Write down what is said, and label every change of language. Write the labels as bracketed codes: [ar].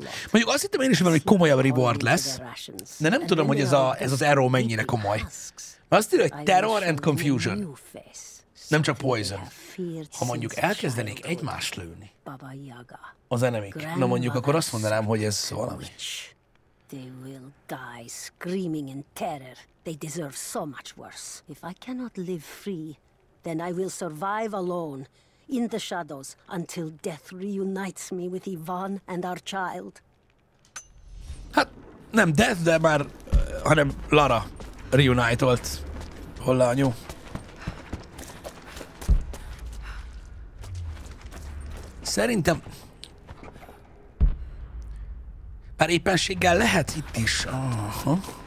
[hu] Mondjuk azt hittem én is, hogy komolyabb reward lesz, de nem tudom, hogy ez az arrow mennyire komoly. Mert azt írja, hogy [en] terror and confusion. [hu] Nem csak poison. Ha mondjuk elkezdenék egymást lőni, az enemik. Na mondjuk, akkor azt mondanám, hogy ez valami. [en] They will die screaming in terror. They deserve so much worse. If I cannot live free, then I will survive alone, in the shadows, until death reunites me with Ivan and our child. [hu] Hát, nem death, de már, hanem Lara reunited. Hol a anyu? Szerintem... Már éppenséggel lehet itt is. Aha.